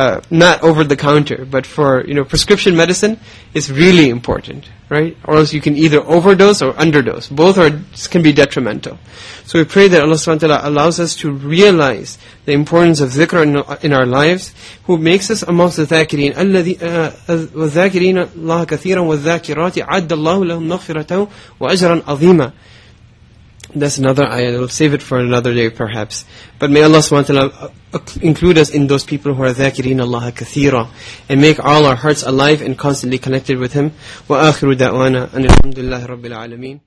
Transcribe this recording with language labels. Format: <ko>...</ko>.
<en>Not over the counter, but for, you know, prescription medicine is really important, right? Or else you can either overdose or underdose. Both are, can be detrimental. So we pray that Allah subhanahu wa ta'ala allows us to realize the importance of dhikr in our lives, who makes us amongst the dhakirin.</en> <ar>وذاكرين الله كثيرا والذاكرات عد الله لهم مغفرة وأجرا عظيما.</ar> <en>That's another ayah. We'll save it for another day, perhaps. But may Allah subhanahu wa ta'ala include us in those people who are dhakirin Allah kathira, and make all our hearts alive and constantly connected with Him. Wa akhiru da'wana, and alhamdulillahi rabbil alameen.</en>